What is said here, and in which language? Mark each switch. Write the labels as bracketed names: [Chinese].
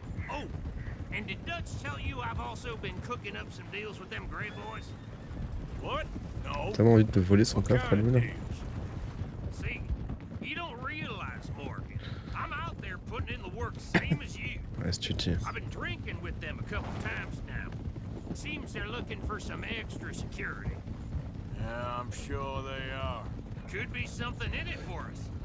[English] Oh, and did Dutch tell you I've also been cooking up some deals with them gray boys? What? [French] Tellement envie de voler son coffre à lui là. [English] See, you don't realize, Morgan. I'm out there putting in the work same as you. [French] Ouais, c'est tutier. [English] I've been drinking with them a couple times now. Seems they're looking for some extra security. Yeah, I'm sure they are. Could be something in it for us.